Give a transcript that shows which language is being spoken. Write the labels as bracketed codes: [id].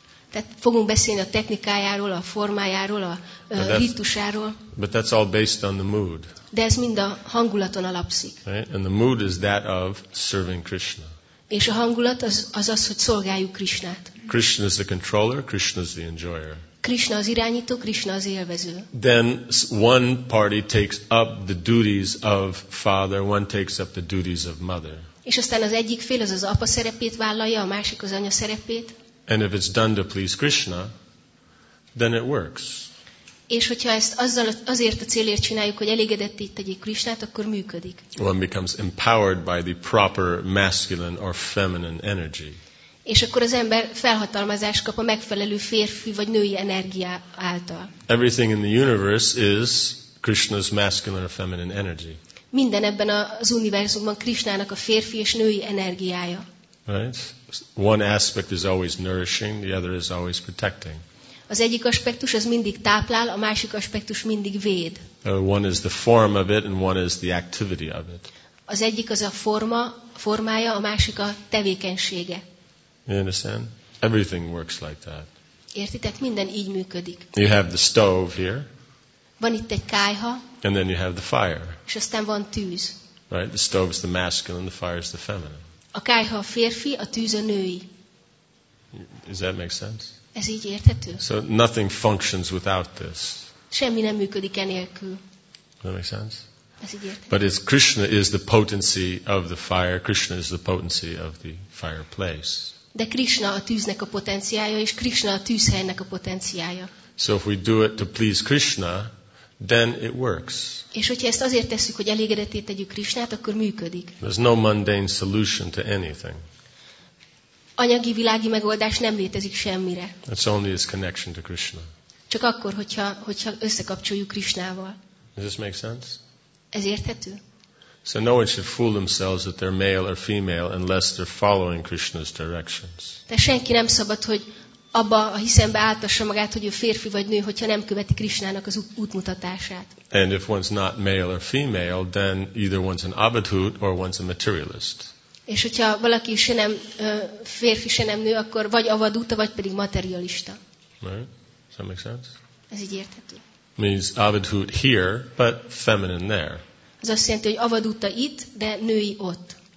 [hu] Tehát fogunk beszélni a technikájáról, a formájáról, a rítusáról. [en] But that's all based on the mood. [hu] De ez mind a hangulaton alapszik. [en] Right? And the mood is that of serving Krishna. [hu] És a hangulat az, hogy szolgáljuk Krishnát. [en] Krishna is the controller, Krishna is the enjoyer. [hu] Krishna az irányító, Krishna az élvező. [en] Then one party takes up the duties of father, one takes up the duties of mother. [hu] És aztán az egyik fél az apa szerepét vállalja, a másik az anya szerepét. [en] And if it's done to please Krishna, then it works. [hu] És hogyha ezt azzal, azért a célért csináljuk, hogy elégedetté tegyék Krisnát, akkor működik. [en] One becomes empowered by the proper masculine or feminine energy. [hu] És akkor az ember felhatalmazást kap a megfelelő férfi vagy női energia által. [en] Everything in the universe is Krishna's masculine or feminine energy. [hu] Minden ebben az univerzumban Krisnának a férfi és női energiája. [en] Right? One aspect is always nourishing, the other is always protecting. [hu] Az egyik aspektus az mindig táplál, a másik aspektus mindig véd. [en] One is the form of it and one is the activity of it. [hu] Az egyik az a forma, formája, a másik a tevékenysége. [en] You understand? Everything works like that. [hu] Értitek? Minden így működik. [en] You have the stove here. [hu] Van itt egy kályha. [en] And then you have the fire. [hu] És aztán van tűz. [en] Right? The stove is the masculine, the fire is the feminine. [hu] A kályha a férfi, a tűz a női. [en] Does that make sense? [hu] Ez így érthető? [en] So nothing functions without this. [hu] Semmi nem működik enélkül. [en] Does that make sense? [hu] Ez így érthető. [en] But it's Krishna is the potency of the fire. Krishna is the potency of the fireplace. [hu] De Krishna a tűznek a potenciája, és Krishna a tűzhelynek a potenciája. [en] So if we do it to please Krishna, then it works. [hu] És hogyha ezt azért tesszük, hogy elégedetté tegyük Krishnát, akkor működik. [en] There's no mundane solution to anything. [hu] Anyagi világi megoldás nem létezik semmire. [en] It's only his connection to Krishna. [hu] Csak akkor, hogyha összekapcsoljuk Krishnával. [en] Does this make sense? [hu] Ez érthető? [en] So no one should fool themselves that they're male or female unless they're following Krishna's directions. [hu] De senki nem szabad, hogy abba a hiszembe áltassa magát, hogy ő férfi vagy nő, hogyha nem követi Krishnának az útmutatását. [en] And if one's not male or female, then either one's an abhidhut or one's a materialist. [hu] És hogyha valaki se nem férfi, se nem nő, akkor vagy avadúta, vagy pedig materialista. [en] Right? Does that make sense? [hu] Ez így érthető. [en] Means avadhut here, but feminine there. [hu] Ez azt jelenti, hogy avadúta itt, de női ott.